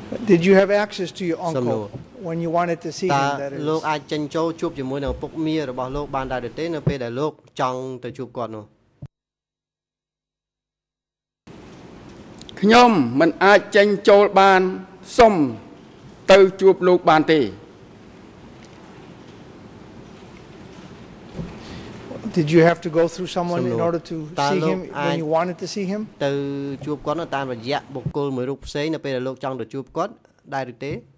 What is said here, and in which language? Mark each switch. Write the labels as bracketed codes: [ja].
[en] Did you have access to your uncle when you wanted to see him? That is [km] លោក អាច ចេញ ចូល ជួប ជាមួយ នឹង ឪពុក មា របស់ លោក បាន ដែរ ឬ ទេ នៅ ពេល ដែល លោក ចង់ ទៅ ជួប គាត់ នោះ? ខ្ញុំ មិន អាច ចេញ ចូល បាន សុំ ទៅ ជួប លោក បាន ទេ. [en] Did you have to go through someone in order to see him when you wanted to see him? [km] ទៅ ជួប គាត់ នៅ តាម រយៈ បុគ្គល មួយ រូប ផ្សេង នៅ ពេល ដែល លោក ចង់ ទៅ ជួប គាត់ ដែរ ឬ ទេ?